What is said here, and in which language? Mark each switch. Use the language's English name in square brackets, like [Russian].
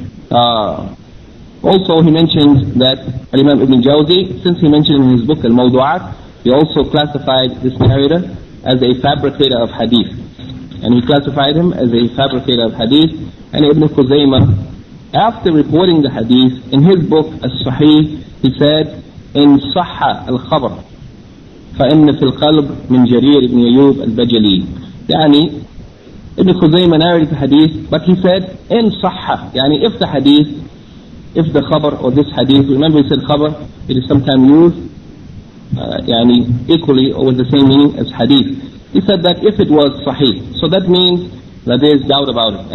[English] Also, he mentioned that Al-Imam Ibn Jawzi, since he mentioned in his book Al-Mawdu'at, he also classified this narrator as a fabricator of hadith. And he classified him as a fabricator of hadith. And Ibn Khuzaymah, after reporting the hadith, in his book As-Sahih, he said, in Sahha al-Khabr, [Arabic] فإن في القلب من جرير بن أيوب البجلي. يعني ابن خزيمة [English] narrated the hadith, but he said [Arabic] إن صح, [English] يعني if the hadith, if the khabar or this hadith, remember he said khabar, it is sometimes used يعني equally or with the same meaning as hadith. He said that if it was sahih, so that means that there is doubt about it.